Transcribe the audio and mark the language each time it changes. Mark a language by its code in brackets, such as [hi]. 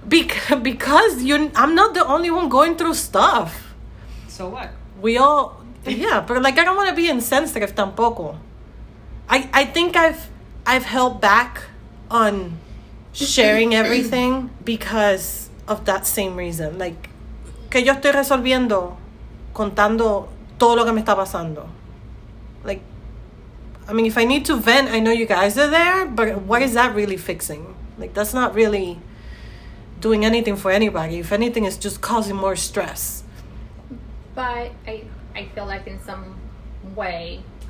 [en] Because I'm not the only one going through stuff. So what? We all. Yeah, but like, I don't want to be insensitive tampoco. I think I've held back on sharing everything because of that same reason. [es] Like, que yo estoy resolviendo contando todo lo que me está pasando. [en] Like, I mean, if I need to vent, I know you guys are there, but what is that really fixing? Like, that's not really doing anything for anybody. If anything, it's just causing more stress. But I feel like in some way...